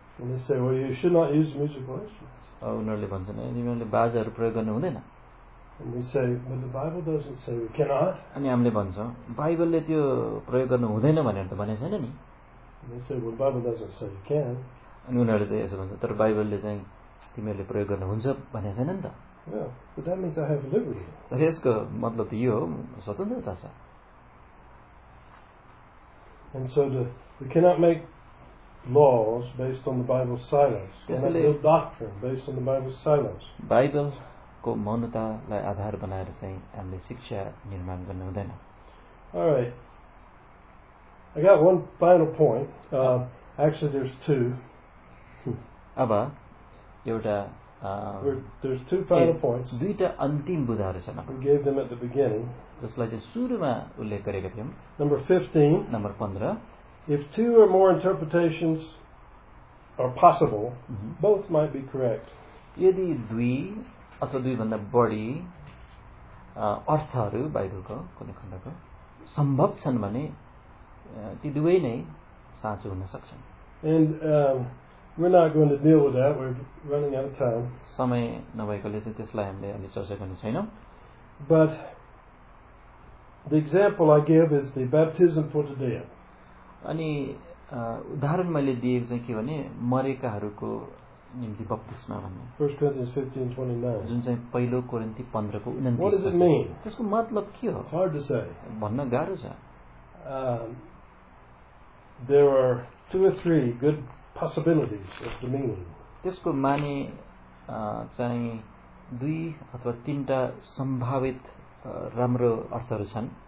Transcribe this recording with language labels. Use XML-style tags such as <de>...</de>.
<en>And they say, well, you should not use musical instruments.</en> <ne>उनीहरूले भन्छन् तिमीहरूले बाजाहरू प्रयोग गर्नु हुँदैन.</ne> <en>And we say, but the Bible doesn't say we cannot.</en> <ne>अनि हामीले भन्छौँ बाइबलले त्यो प्रयोग गर्नु हुँदैन भनेर त भनेको छैन नि.</ne> <en>And they say, well, the Bible doesn't say you can.</en> <ne>अनि उनीहरूले त यसो भन्छ तर बाइबलले चाहिँ तिमीहरूले प्रयोग गर्नुहुन्छ भनेको छैन नि त.</ne> <en>Yeah, but that means I have liberty.</en> <ne>तर यसको मतलब त यो हो, स्वतन्त्रता छ.</ne> <en>And so we cannot make laws based on the Bible's silence. We cannot build doctrine based on the Bible's silence.</en> <ne>Bible को मौनतालाई आधार बनाएर चाहिँ हामीले शिक्षा निर्माण गर्नु हुँदैन.</ne> <en>Alright. I got one final point. Actually, there's two.</en> <ne>अब एउटा</ne> <en>there's two final points.</en> <ne>दुईटा अन्तिम बुझाहरू छन्.</ne> <en>We gave them at the beginning.</en> <ne>जसलाई चाहिँ सुरुमा उल्लेख गरेका थियौँ.</ne> <en>Number 15. Number 15. If two or more interpretations are possible, both might be correct.</en> <ne>यदि दुई अथवा दुईभन्दा बढी अर्थहरू बाइबलको कुनै खण्डको सम्भव छन् भने ती दुवै नै साँचो हुन सक्छन्.</ne> <en>And we're not going to deal with that. We're running out of time.</en> <ne>समय नभएकोले चाहिँ त्यसलाई हामीले अहिले चर्चा गर्ने छैनौँ.</ne> <en>But the example I give is the baptism for the dead.</en> <ne>अनि उदाहरण मैले दिएको चाहिँ के भने मरेकाहरूको निम्ति बप्तिस्मा भन्ने.</ne> <en>First Corinthians 15:29.</en> <ne>जुन चाहिँ पहिलो कोरिन्थी 15 को 29.</ne> <en>What does it mean?</en> <ne>त्यसको मतलब के हो?</ne> <en>It's hard to say.</en> <ne>भन्न गाह्रो छ.</ne> <en>There are two or three good possibilities of the meaning.</en> <ne>त्यसको माने चाहिँ दुई अथवा तीनटा सम्भावित राम्रो अर्थहरू छन्.</ne>